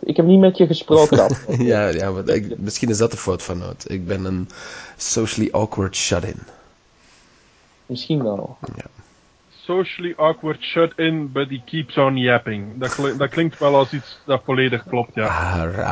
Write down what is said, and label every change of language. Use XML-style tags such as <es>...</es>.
<nl>Ik heb niet met je gesproken. ja, maar misschien is dat de fout van Nout. Ik ben een</nl> <en>socially awkward shut-in.</en> <nl>Misschien wel. Ja.</nl> <en>Socially awkward shut in, but he keeps on yapping.</en> <nl>Dat klinkt wel als iets dat volledig klopt, ja.</nl>